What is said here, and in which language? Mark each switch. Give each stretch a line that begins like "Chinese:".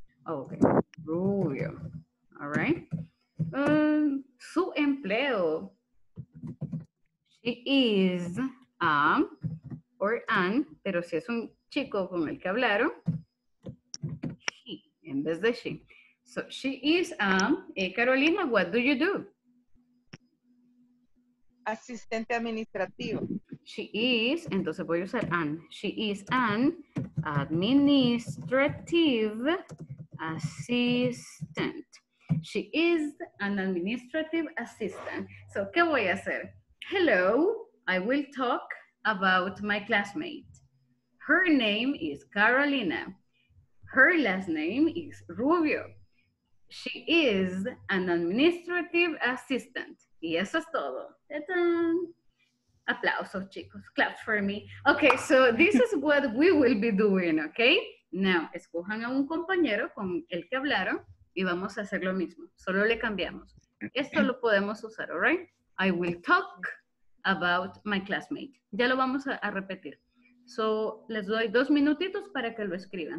English: Oh, okay. Rubio. All right.
Spanish: Su empleo.
English: She is a or an,
Spanish: pero si es un chico con el que hablaron, he, en vez de she.
English: So she is a, hey, Carolina, what do you do?
Spanish: Asistente administrativo.
English: She is,
Spanish: entonces voy a usar
English: an. She is an administrative assistant. She is an administrative assistant. So,
Spanish: ¿qué voy a hacer?
English: Hello, I will talk about my classmate. Her name is Carolina. Her last name is Rubio. She is an administrative assistant.
Spanish: Y eso es todo.
English: Ta-dum.
Spanish: Aplausos, chicos.
English: Claps for me. Okay, so this is what we will be doing, okay?
Spanish: Now, escojan a un compañero con el que hablaron y vamos a hacer lo mismo. Solo le cambiamos. Esto lo podemos usar, all right?
English: I will talk about my classmate.
Spanish: Ya lo vamos a repetir. So, les doy dos minutitos para que lo escriban.